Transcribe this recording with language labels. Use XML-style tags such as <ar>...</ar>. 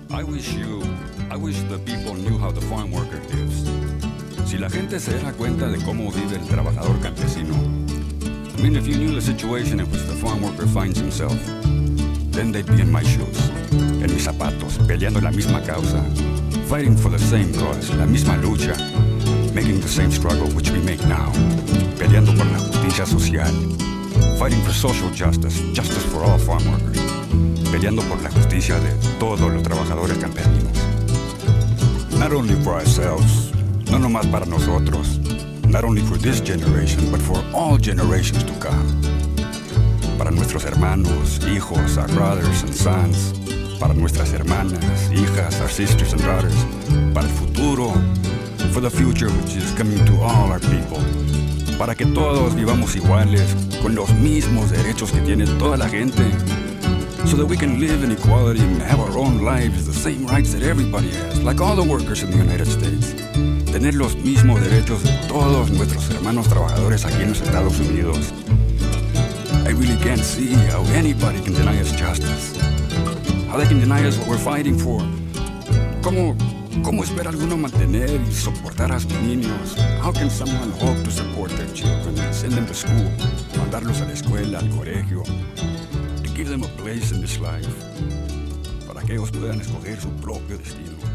<en>I wish the people knew how the farm worker lives.</en> <es>Si la gente se diera cuenta de cómo vive el trabajador campesino.</es> <en>I mean, if you knew the situation in which the farm worker finds himself, then they'd be in my shoes,</en> <es>en mis zapatos, peleando la misma causa,</es> <en>fighting for the same cause,</en> <es>la misma lucha,</es> <en>making the same struggle which we make now,</en> <es>peleando por la justicia social,</es> <en>fighting for social justice, justice for all farm workers,</en> <es>peleando por la justicia de todos los trabajadores campesinos.</es> <en>Not only for ourselves,</en> <es>no nomás para nosotros.</es> <en>Not only for this generation, but for all generations to come.</en> <es>Para nuestros hermanos, hijos,</es> <en>our brothers and sons.</en> <es>Para nuestras hermanas, hijas,</es> <en>our sisters and daughters.</en> <es>Para el futuro,</es> <en>for the future which is coming to all our people.</en> <es>Para que todos vivamos iguales, con los mismos derechos que tiene toda la gente.</es> <en>so that we can live in equality and have our own lives, the same rights that everybody has, like all the workers in the United States.</en> <es>Tener los mismos derechos de todos nuestros hermanos trabajadores aquí en los Estados Unidos.</es> <en>I really can't see how anybody can deny us justice. How they can deny us what we're fighting for.</en> <es>¿Cómo espera alguno mantener y soportar a sus niños?</es> <en>How can someone hope to support their children and send them to school,</en> <es>mandarlos a la escuela, al colegio,</es> <en>to give them a place in this life,</en> <es>para que ellos puedan escoger su propio destino?</es>